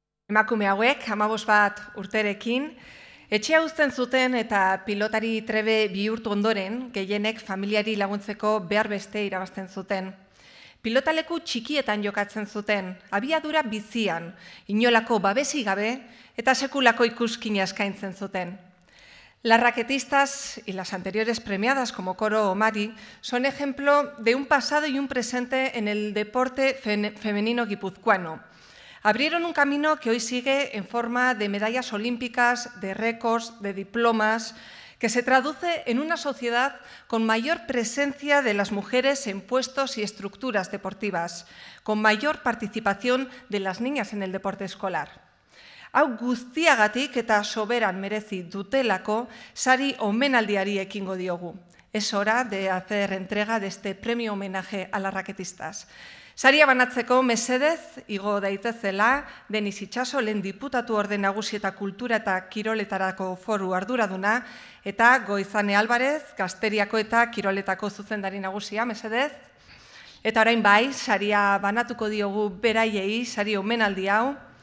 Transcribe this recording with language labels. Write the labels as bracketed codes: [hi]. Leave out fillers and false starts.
[eu] Emakume hauek, 15 urterekin, etxea uzten zuten eta pilotari trebe bihurtu ondoren, gehienek familiari laguntzeko behar beste irabazten zuten. Pilotaleku txikietan jokatzen zuten, abiadura bizian, inolako babesi gabe eta sekulako ikuskina eskaintzen zuten. [es] Las raquetistas y las anteriores premiadas como Coro o Mari son ejemplo de un pasado y un presente en el deporte femenino guipuzcoano. Abrieron un camino que hoy sigue en forma de medallas olímpicas, de récords, de diplomas, que se traduce en una sociedad con mayor presencia de las mujeres en puestos y estructuras deportivas, con mayor participación de las niñas en el deporte escolar. [eu] Hau guztiagatik eta soberan merezi dutelako, sari omenaldiari ekingo diogu. [es] Es hora de hacer entrega de este premio homenaje a las raquetistas. [eu] Saria banatzeko mesedez, igo daitezela, Deniz Itxaso, lehen diputatu orde nagusi eta kultura eta kiroletarako foru arduraduna, eta Goizane Álvarez, Gazteriako eta kiroletako zuzendari nagusia, mesedez. Eta orain bai, saria banatuko diogu beraiei, sari omenaldi hau.